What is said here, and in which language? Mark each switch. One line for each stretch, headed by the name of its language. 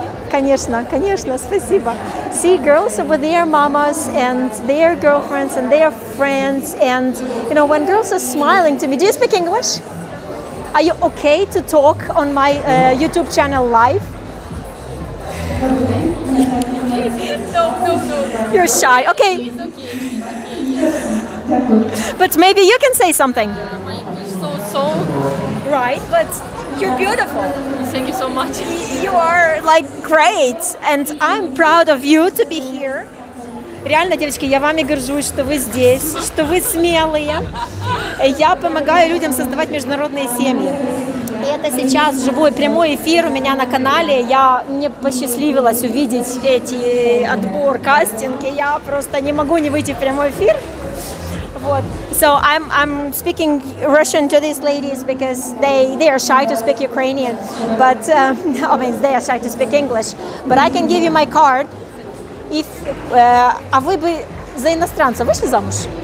Russian: Конечно, конечно, спасибо.
English: See, girls over there, mamas and their girlfriends and their friends, and you know, when girls are smiling to me, do you speak English? Are you okay to talk on my YouTube channel live? No. You're shy. Okay. But maybe you can say something. So. Right, but you're beautiful. Thank you so much. You are like great, and I'm proud of you to be here.
Russian: Реально, девочки, я вами горжусь, что вы здесь, что вы смелые. Я помогаю людям создавать международные семьи. И это сейчас живой прямой эфир у меня на канале. Я не посчастливилась увидеть эти отбор, кастинги. Я просто не могу не выйти в прямой эфир. Вот.
English: So I'm speaking Russian to these ladies because they are shy to speak Ukrainian. But I mean, they are shy to speak English. But I can give you my card.
Russian: А вы бы за иностранца вышли замуж?